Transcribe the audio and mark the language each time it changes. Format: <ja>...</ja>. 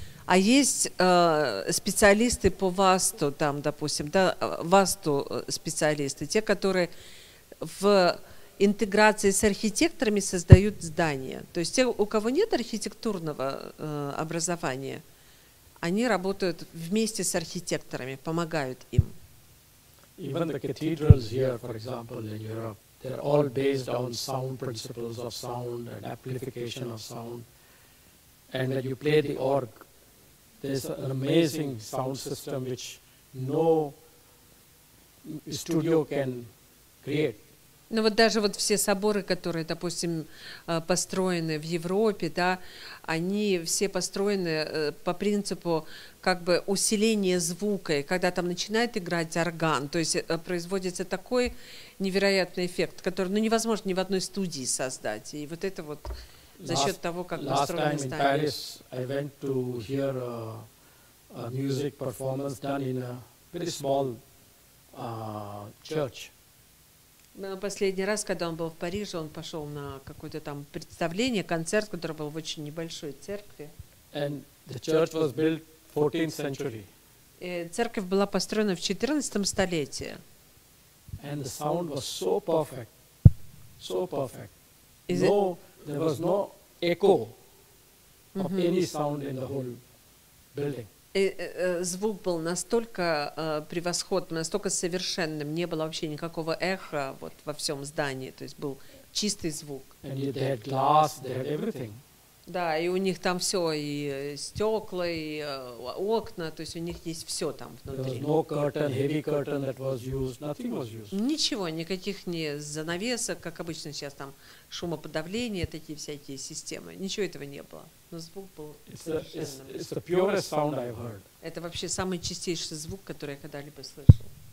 <ru>А есть специалисты по васту, там, допустим, да, васту специалисты, те, которые в интеграции с архитекторами создают здания. То есть те, у кого нет архитектурного образования, они работают вместе с архитекторами, помогают им.</ru> <en>Even the cathedrals here, for example, in Europe, they're all based on sound principles of sound and amplification of sound. And when you play the org, there's an amazing sound system which no studio can create.</en> <ru>Ну вот даже вот все соборы, которые, допустим, построены в Европе, да, они все построены по принципу как бы усиления звука, и когда там начинает играть орган, то есть производится такой невероятный эффект, который, ну, невозможно ни в одной студии создать. И вот это вот за счет того, как построены здания.</ru> <en>Last time in Paris I went to hear a music performance done in a very small church.</en> <ru>Последний раз, когда он был в Париже, он пошел на какое-то там представление, концерт, который был в очень небольшой церкви.</ru> <en>And the church was built 14th century.</en> <ru>И церковь была построена в 14 столетии.</ru> <en>And the sound was so perfect, so perfect. No, there was no echo of any sound in the whole building.</en> <ru>И звук был настолько превосходным, настолько совершенным, не было вообще никакого эха вот во всем здании, то есть был чистый звук.</ru> <en>And yet they had glass, they had everything.</en> <ru>Да, и у них там все, и стекла, и окна, то есть у них есть все там внутри.</ru> <en>There was no curtain, heavy curtain that was used, nothing was used.</en> <ru>Ничего, никаких не занавесок, как обычно сейчас там шумоподавление, такие всякие системы, ничего этого не было. Но звук был совершенным.</ru> <en>It's the purest sound I've heard.</en> <ru>Это вообще самый чистейший звук, который я когда-либо слышал.</ru>